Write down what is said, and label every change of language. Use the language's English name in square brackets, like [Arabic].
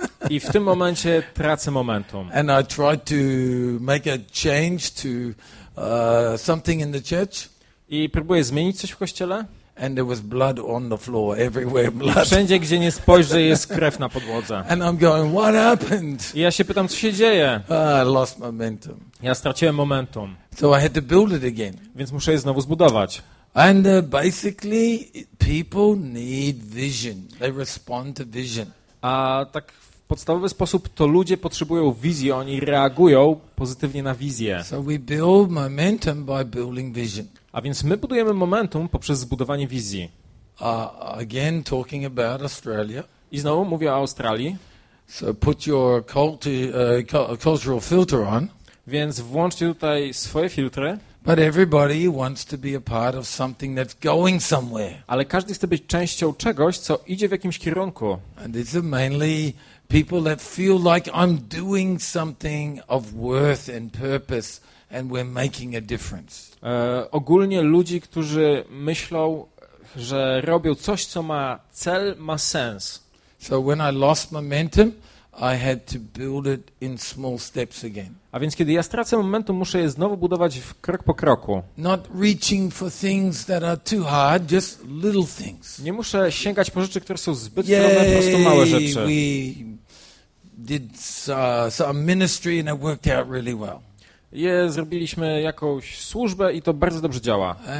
[Polish] I w tym momencie tracę momentum. [English] And I tried to make a change to something in the church. [Polish] I próbuję zmienić coś w kościele. [English] And there was blood on the floor, everywhere blood. [Polish] I wszędzie, gdzie nie spojrzę, jest krew na podłodze. [English] And I'm going, what happened? [Polish] I ja się pytam, co się dzieje. [English] I lost momentum. [Polish] Ja straciłem momentum. [English] So I had to build it again. [Polish] Więc muszę je znowu zbudować. [English] And basically, people need vision. They respond to vision. [Polish] A tak w podstawowy sposób to ludzie potrzebują wizji, oni reagują pozytywnie na wizję. [English] So we build momentum by building vision. [Polish] A więc my budujemy momentum poprzez zbudowanie wizji. [English] Again talking about Australia. [Polish] I znowu mówię o Australii. [English] So put your cultural filter on. [Polish] Więc włączcie tutaj swoje filtry. [English] But everybody wants to be a part of something that's going somewhere. [Polish] Ale każdy chce być częścią czegoś, co idzie w jakimś kierunku. [English] And it's mainly people that feel like I'm doing something of worth and purpose and we're making a difference. [Polish] Ogólnie ludzi, którzy myślą, że robią coś, co ma cel, ma sens. [English] So when I lost momentum, I had to build it in small steps again. [Polish] A więc kiedy ja stracę momentum, muszę je znowu budować krok po kroku. [English] Not reaching for things that are too hard, just little things. [Polish] Nie muszę sięgać po rzeczy, które są zbyt trudne, po prostu małe rzeczy. [English] We did some ministry and it worked out really well. [Polish] Zrobiliśmy jakąś służbę i to bardzo dobrze działa.